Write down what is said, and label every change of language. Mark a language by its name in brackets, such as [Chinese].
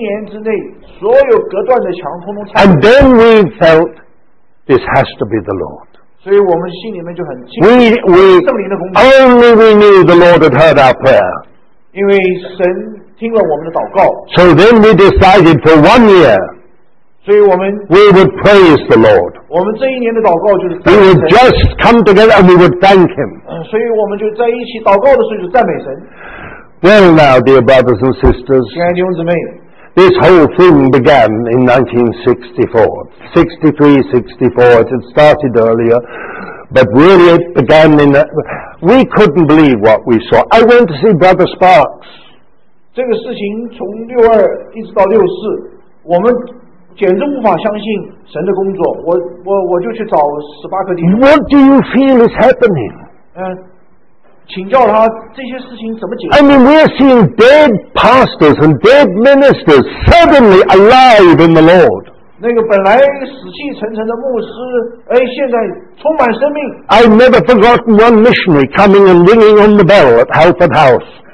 [Chinese] 一年之内,所有隔断的墙通通拆除。 [English] And then we felt, this has to be the Lord. [Chinese] 所以我们心里面就很清楚,圣灵的工作。 [English] Only we knew the Lord had heard our prayer. [Chinese] 因为神听了我们的祷告。 [English] So then we decided for 1 year, [Chinese] 所以我们, [English] we would praise the Lord. [Chinese] 我们这一年的祷告就是赞美神。 [English] We would just come together and we would thank Him. [Chinese] 所以我们就在一起祷告的时候就赞美神。 [English] Well now, dear brothers and sisters, [Chinese] 亲爱的弟兄姊妹, [English] this whole thing began in 1964. 63, 64, it had started earlier. but really it began in that. We couldn't believe what we saw. I went to see Brother Sparks. [Chinese] 这个事情从62一直到64, 我们简直无法相信神的工作, 我就去找18个弟兄。 [English] What do you feel is happening? [Chinese] 请教他, 这些事情怎么解释? [English] I mean, we are seeing dead pastors and dead ministers suddenly alive in the Lord. [Chinese] 那个本来死气沉沉的牧师, 现在充满生命。 [English] I've never forgotten one missionary coming and ringing on the bell at Halford House.